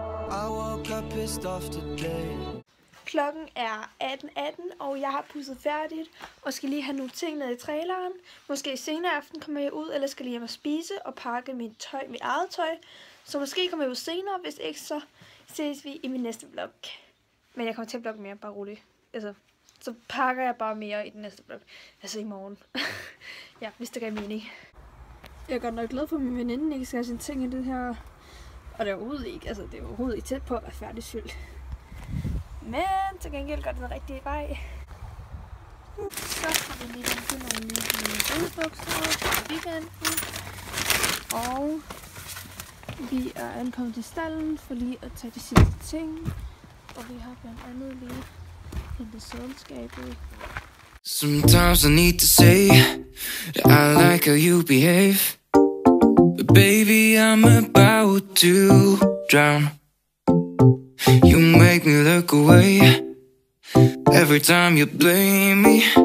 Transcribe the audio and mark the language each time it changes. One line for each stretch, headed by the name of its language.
English: I woke up pissed off today.
Danish: Klokken er 18:18, og jeg har pusset færdigt, og skal lige have nogle ting ned i traileren. Måske senere aften kommer jeg ud, eller skal lige hjem og spise og pakke mit eget tøj. Så måske kommer jeg ud senere, hvis ikke, så ses vi i min næste vlog. Men jeg kommer til at vlogge mere, bare roligt. Altså, så pakker jeg bare mere i den næste vlog. Altså i morgen. Ja, hvis det gav mening. Jeg er godt nok glad for, at min veninde ikke skal have sine ting i det her. Og det er overhovedet ikke, altså det er overhovedet ikke tæt på at være færdig syld. Men til gengæld går den rigtige vej. Så har vi lige til nogle nye rødebukser fra weekenden. Og vi er ankommet til stallen for lige at tage de sidste ting. Og vi har blandt andet lige hentet sædelskabet.
English: Sometimes I need to say that I like how you behave. But baby, I'm about to drown. You make me look away every time you blame me.